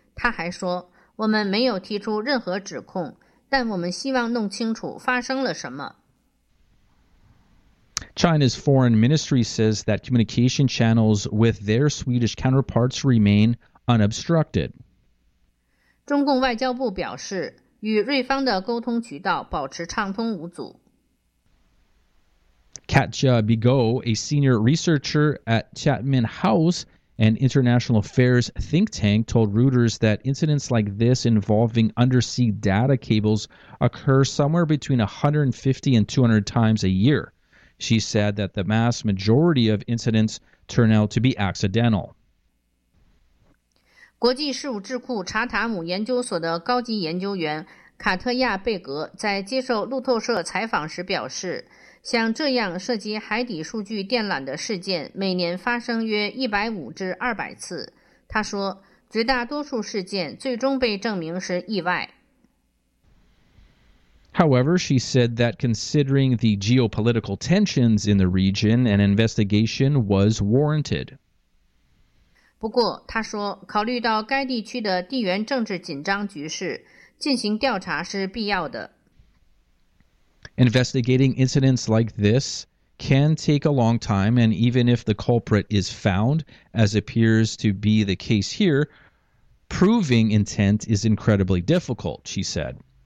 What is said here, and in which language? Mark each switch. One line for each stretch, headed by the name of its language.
Chinese: 他还说，我们没有提出任何指控，但我们希望弄清楚发生了什么。
English: China's foreign ministry says that communication channels with their Swedish counterparts remain unobstructed.
Chinese: 中共外交部表示，与瑞方的沟通渠道保持畅通无阻。
English: Katja Bigo, a senior researcher at Chapman House, an international affairs think tank, told Reuters that incidents like this involving undersea data cables occur somewhere between 150 and 200 times a year. She said that the mass majority of incidents turn out to be accidental.
Chinese: 国际事务智库查塔姆研究所的高级研究员卡特亚贝格在接受路透社采访时表示，像这样涉及海底数据电缆的事件每年发生约150至200次。他说，绝大多数事件最终被证明是意外。
English: However, she said that considering the geopolitical tensions in the region, an investigation was warranted.
Chinese: 不过，她说，考虑到该地区的地缘政治紧张局势，进行调查是必要的。
English: Investigating incidents like this can take a long time, and even if the culprit is found, as appears to be the case here, proving intent is incredibly difficult, she said.